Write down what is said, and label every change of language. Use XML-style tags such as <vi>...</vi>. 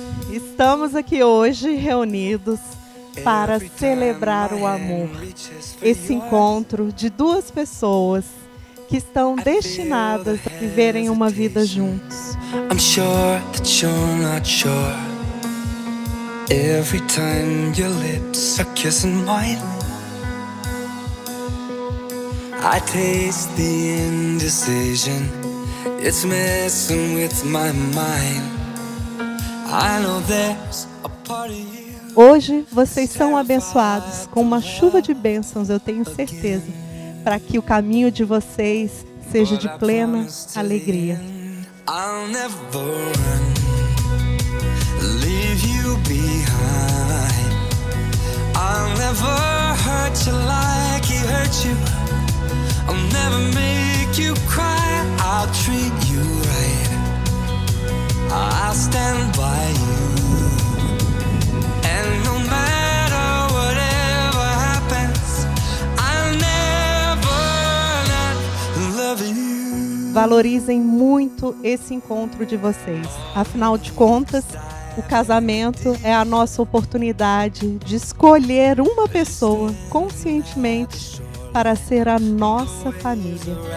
<pt>Estamos aqui hoje reunidos para celebrar o amor, esse encontro de duas pessoas que estão destinadas a viverem uma vida juntos.</pt> <en>I'm sure that you're not sure. Every time your lips are kissing mine, I taste the indecision. It's messing with my mind. I know there's a part of you.</en> <pt>Hoje vocês são abençoados com uma chuva de bênçãos, eu tenho certeza, para que o caminho de vocês seja de plena alegria.</pt> <en>I'll never run, leave you behind. I'll never hurt you like he hurt you. I'll never make you cry. I'll treat you right. I'll stand by you. And no matter whatever happens, I'll never not love you.</en> <pt>Valorizem muito esse encontro de vocês. Afinal de contas, o casamento é a nossa oportunidade de escolher uma pessoa conscientemente para ser a nossa família.</pt>